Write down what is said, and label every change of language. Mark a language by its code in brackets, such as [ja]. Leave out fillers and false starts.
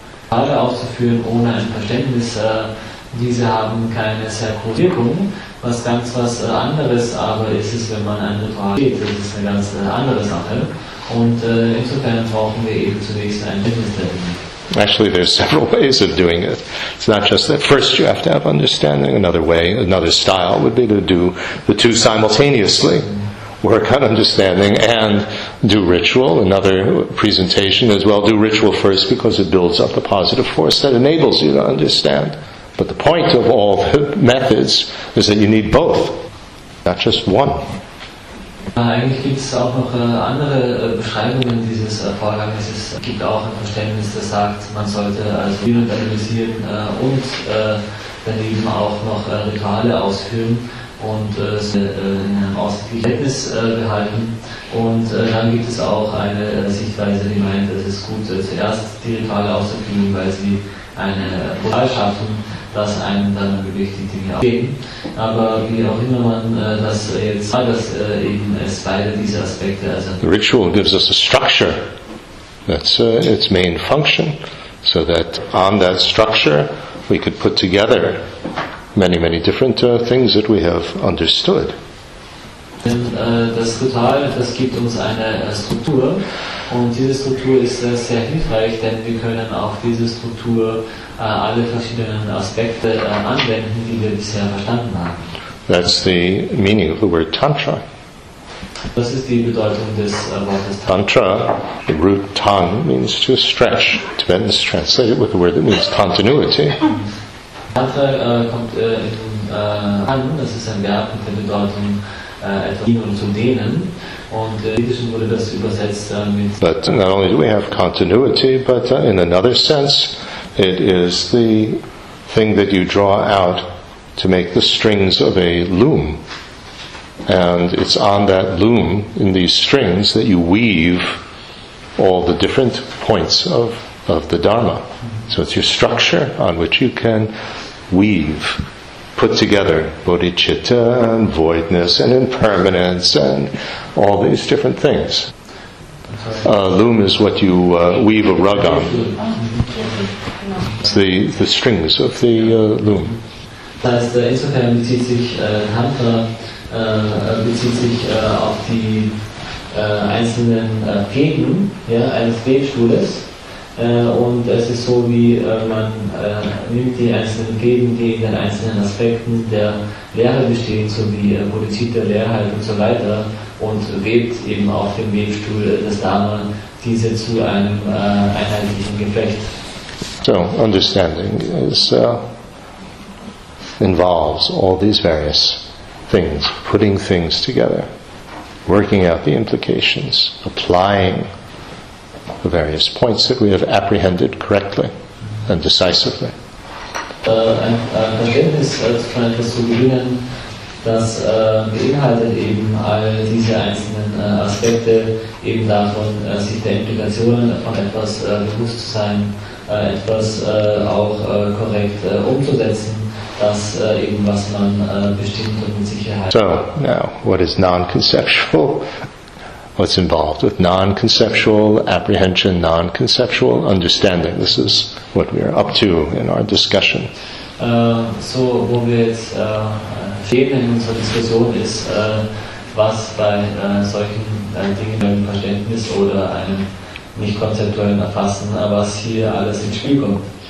[de] Rituale aufzuführen ohne ein Verständnis, diese haben keine sehr große Wirkung. Was ganz was anderes aber ist es, wenn man ein Ritual geht, das ist eine ganz andere Sache. Und insofern brauchen wir eben zunächst ein Verständnis. [en] Actually, there's several ways of doing it. It's not just that first you have to have understanding. Another way, another style would be to do the two simultaneously. Work on understanding and do ritual. Another presentation is, well, do ritual first because it builds up the positive force that enables you to understand. But the point of all the methods is that you need both, not just one. [de] Eigentlich gibt es auch noch andere Beschreibungen dieses Vorganges. Es gibt auch ein Verständnis, das sagt, man sollte also jemand analysieren und daneben auch noch Rituale ausführen und in einem ausgeglichenen Verhältnis behalten. Und dann gibt es auch eine Sichtweise, die meint, es ist gut, zuerst die Rituale auszuführen, weil sie eine Moral schaffen, dass einem dann wirklich die Dinge abgeben. Aber wie auch immer man das jetzt sagt, dass eben es beide diese Aspekte, also [en] the ritual gives us a structure. That's its main function. So that on that structure we could put together many, many different things that we have understood. [de] Denn das Ritual, das gibt uns eine Struktur, und diese Struktur ist sehr hilfreich, denn wir können auf diese Struktur alle verschiedenen Aspekte anwenden, die wir bisher verstanden haben. [en] That's the meaning of the word Tantra. [de] Das ist die Bedeutung des Wortes [en] Tantra. The root tan means to stretch. Tibetans translate it with a word that means continuity. [de] Tantra kommt in Tan, das ist ein Verb mit der Bedeutung etwas hin und zu dehnen. Und im Jiddischen wurde das übersetzt mit. [en] But not only do we have continuity, but in another sense, it is the thing that you draw out to make the strings of a loom. And it's on that loom, in these strings, that you weave all the different points of the Dharma. So it's your structure on which you can weave, put together bodhicitta and voidness and impermanence and all these different things. Loom is what you weave a rug on. It's the strings of the loom. [de] Das heißt, insofern bezieht sich Tantra auf die einzelnen Fäden, ja, eines Fädenstuhles. Und es ist so, wie man nimmt die einzelnen Fäden, die in den einzelnen Aspekten der Lehre bestehen, so wie Bodhicitta, Leerheit und so weiter, und webt eben auf dem Webstuhl des Dharma diese zu einem einheitlichen Geflecht. [en] So, understanding is, involves all these various things, putting things together, working out the implications, applying the various points that we have apprehended correctly and decisively. [de] Verständnis von etwas zu gewinnen, das beinhaltet eben all diese einzelnen Aspekte, eben davon, sich der Implikationen von etwas bewusst zu sein, etwas auch korrekt umzusetzen, das eben, was man bestimmt und mit Sicherheit. [en] So, now, what is non-conceptual? What's involved with non-conceptual apprehension, non-conceptual understanding? This is what we are up to in our discussion. [de] So, wo wir jetzt fehlen in unserer Diskussion ist, was bei solchen Dingen, beim Verständnis oder einem nicht konzeptuellen Erfassen, was hier alles ins Spiel kommt.